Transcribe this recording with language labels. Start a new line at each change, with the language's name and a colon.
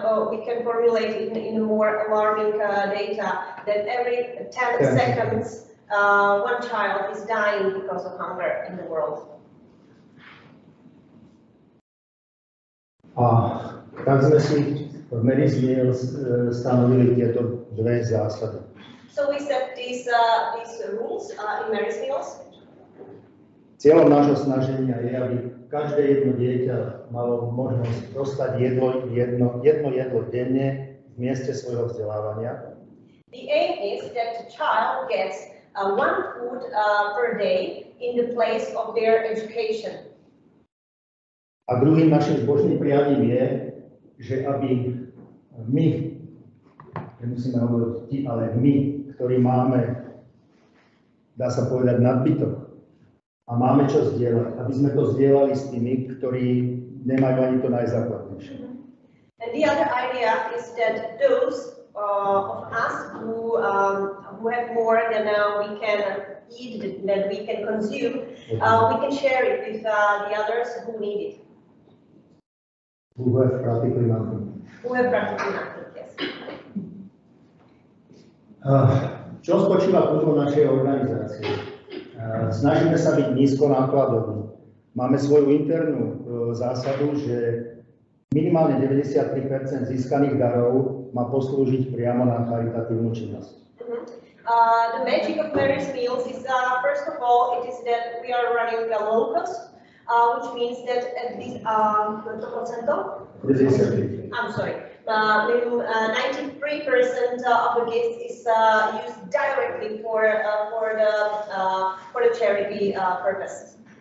English: We can formulate in more alarming data, that every 10 seconds one child is dying because of hunger in the world.
Czech: A tak jsme si v menu změnil stanovili tyto dvě zásady.
English: So we set these rules in Mary's meals.
Czech: Cílem našeho snažení je,
Slovak: aby každé jedno dieťa malo možnosť dostať jedno jedlo denne v mieste svojho vzdelávania.
English: The aim is that the child gets one food per day in the place of their education.
Slovak: A druhým našim zbožným prianím je, že aby my, nemusíme hovoriť ti, ale my, ktorí máme, dá sa povedať, nadbytok a máme čo zdieľať, aby sme to zdieľali s tými, ktorí nemajú ani to najzákladnejšie.
English: And the other idea is that those of us who have more than we can eat, than we can consume, we can share it with the others who need it. Who have practically nothing. Who have practically nothing, yes.
Slovak: Čo spočíva kľúčom našej organizácie? Snažíme sa byť nízko nákladoví. Máme svoju internú zásadu, že minimálne 93% získaných darov má poslúžiť priamo na charitatívnu činnosť.
English: The magic of Mary's Meals is first of all, it is that we are running a low cost, which means that at least 93% of the gifts is used directly for the charity purpose.